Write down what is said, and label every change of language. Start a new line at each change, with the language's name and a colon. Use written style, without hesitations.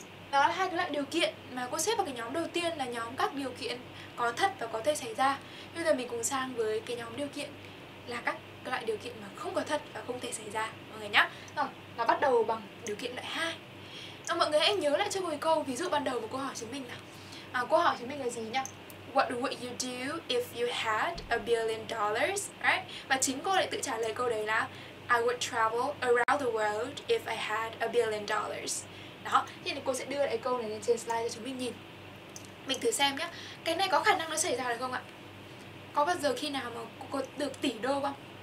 Vietnamese: Đó là hai cái loại điều kiện mà cô xếp vào cái nhóm đầu tiên là nhóm các điều kiện có thật và có thể xảy ra. Bây giờ mình cùng sang với cái nhóm điều kiện là các loại điều kiện mà không có thật và không thể xảy ra mọi người nhá. Rồi, nó bắt đầu bằng điều kiện loại 2. Rồi, mọi người hãy nhớ lại cho mình câu ví dụ ban đầu của cô hỏi chúng mình nào. Cô hỏi chúng mình là gì nhá?
English: What would you do if you had $1 billion, right?
Vietnamese: Và chính cô lại tự trả lời câu đấy là
English: I would travel around the world if I had $1 billion.
Vietnamese: Đó, thì cô sẽ đưa lại câu này lên trên slide cho chúng mình nhìn. Mình thử xem nhá. Cái này có khả năng nó xảy ra được không ạ? Có bao giờ khi nào mà cô được tỷ đô không?